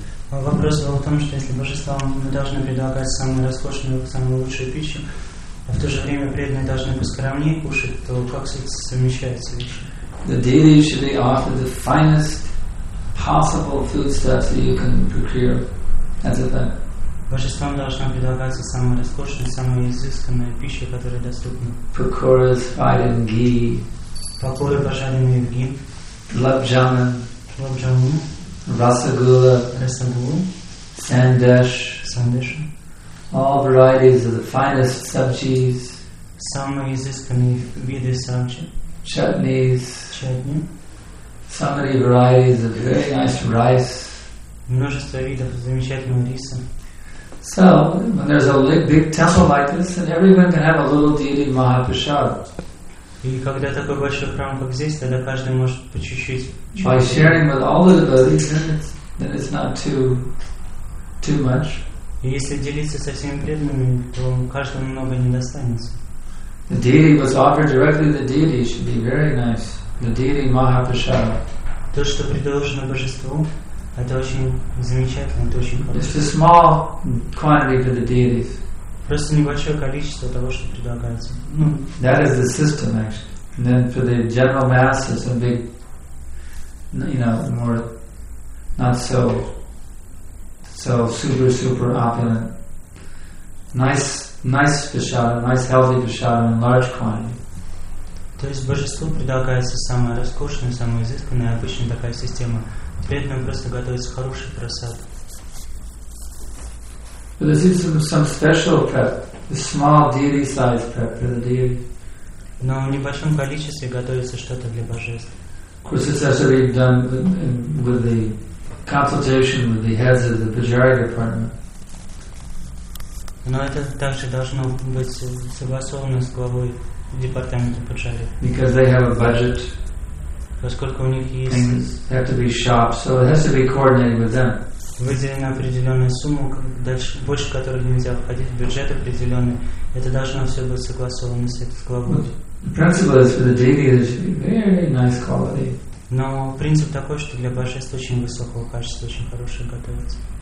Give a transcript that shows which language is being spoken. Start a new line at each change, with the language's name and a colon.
Russian: Вопрос был в том, что если божествам мы должны предлагать самую роскошную, самую лучшую пищу, а в то же время преданные должны поскромнее кушать, то как это совмещается?
English: The deity should be offered the finest possible foodstuffs that you can procure. That's it.
Russian: Божествам должна предлагаться самая роскошная, самая изысканная пища, которая доступна. Пакоры, пожаренные в ги. Пакоры, пожаренные в ги. Лапджамен. Лапджамен. Расагула. Расагула. Сандеш. Сандеш.
English: All varieties of the finest sabjis.
Russian: Самые изысканные виды сабжи. Чатнис. Чатни.
English: So many varieties of very nice rice.
Russian: Множество видов замечательного риса.
English: So, when there's a big temple like this, then everyone can have a little deity Mahaprasad.
Russian: И когда такой большой храм как здесь, тогда каждый может по чуть-чуть.
English: By sharing with all the devotees, then it's not too much.
Russian: И если делиться со всеми преданными, то каждому много не достанется.
English: The deity was offered directly to the deity. It should be very nice. The deity Mahaprasad.
Russian: То, что предложено божеству. Это очень замечательно, это очень хорошо.
English: It's a small quantity for the deities.
Russian: Просто небольшое количество того, что предлагается.
English: That is the system, actually. And then for the general masses, a big, you know, more, not so super, super opulent. Nice prasadam, nice healthy prasadam in large quantity.
Russian: То есть божеству предлагается самое роскошное, самое изысканное, обычно такая система. Преданным просто готовится хороший просад.
English: But this is some special prep, a small deity size prep for the deity.
Russian: Но в небольшом количестве готовится что-то для божеств.
English: Of course, this has to be done with the consultation with the heads of the Pujari department.
Russian: Но это также должно быть согласовано с главой департамента Пуджари.
English: Because they have a budget.
Russian: Поскольку у них есть
English: things have to be shop, so it has to be coordinated with them.
Russian: Выделена определенная сумма, дальше больше которой нельзя входить в бюджет определенный. Это должно все быть согласовано с этой главой.
English: The principle is for the deity it should be very nice quality.
Russian: Но принцип такой, что для божеств очень высокого качества, очень хорошее готовится.